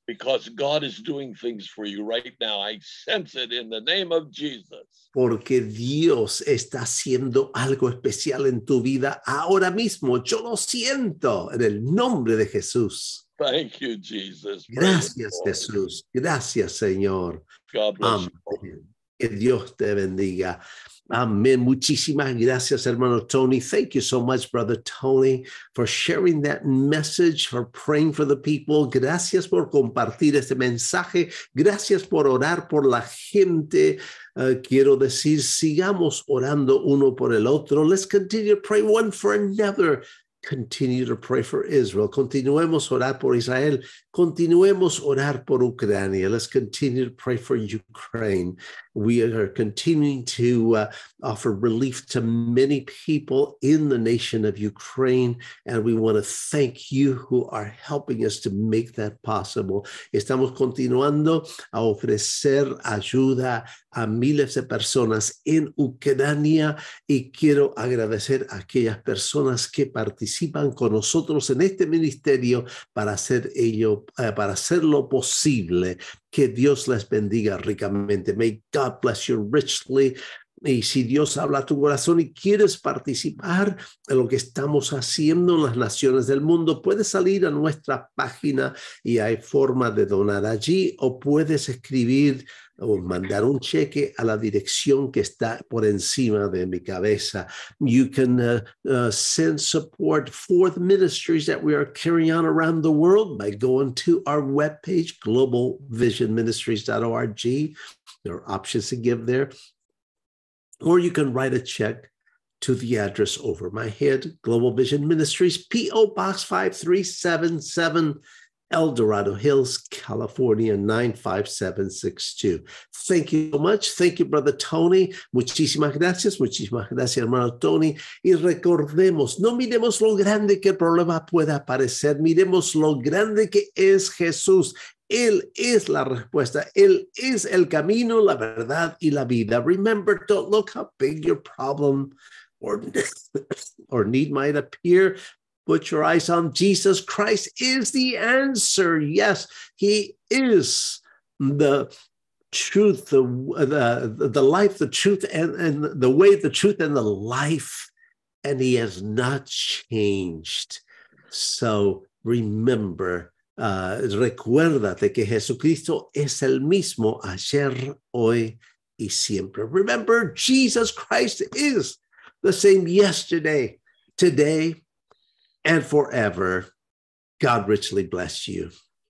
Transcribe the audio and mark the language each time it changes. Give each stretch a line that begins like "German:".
English: Because God is doing things for you right now. I sense it in the name of Jesus.
Spanish: Porque Dios está haciendo algo especial en tu vida ahora mismo. Yo lo siento en el nombre de Jesús.
English: Thank you, Jesus.
Spanish: Gracias, Jesús. Gracias, Señor.
English: God bless Amen. You.
Spanish: Que Dios te bendiga. Amén. Muchísimas gracias, hermano Tony.
English: Thank you so much, brother Tony, for sharing that message, for praying for the people.
Spanish: Gracias por compartir este mensaje. Gracias por orar por la gente. Quiero decir, sigamos orando uno por el otro.
English: Let's continue to pray one for another. Continue to pray for Israel.
Spanish: Continuemos orar por Israel. Continuemos orar por Ucrania.
English: Let's continue to pray for Ukraine. We are continuing to offer relief to many people in the nation of Ukraine. And we want to thank you who are helping us to make that possible.
Spanish: Estamos continuando a ofrecer ayuda a miles de personas en Ucrania. Y quiero agradecer a aquellas personas que participan con nosotros en este ministerio para hacer ello, para hacerlo posible. Que Dios les bendiga ricamente.
English: May God bless you richly.
Spanish: Y si Dios habla a tu corazón y quieres participar en lo que estamos haciendo en las naciones del mundo, puedes salir a nuestra página y hay forma de donar allí, o puedes escribir o mandar un cheque a la dirección que está por encima de mi cabeza.
English: You can send support for the ministries that we are carrying on around the world by going to our webpage, globalvisionministries.org. There are options to give there. Or you can write a check to the address over my head, Global Vision Ministries, P.O. Box 5377, El Dorado Hills, California, 95762. Thank you so much. Thank you,
Spanish: Brother Tony. Muchísimas gracias. Muchísimas gracias, hermano Tony. Y recordemos, no miremos lo grande que el problema pueda parecer. Miremos lo grande que es Jesús. Él es la respuesta. Él es el camino, la verdad y la vida.
English: Remember, don't look how big your problem or need might appear. Put your eyes on Jesus Christ is the answer. Yes, he is the truth, the life, the truth, and the way, the truth, and the life. And he has not changed. So remember,
Spanish: recuérdate que Jesucristo es el mismo ayer, hoy, y siempre.
English: Remember, Jesus Christ is the same yesterday, today, and forever. God richly bless you.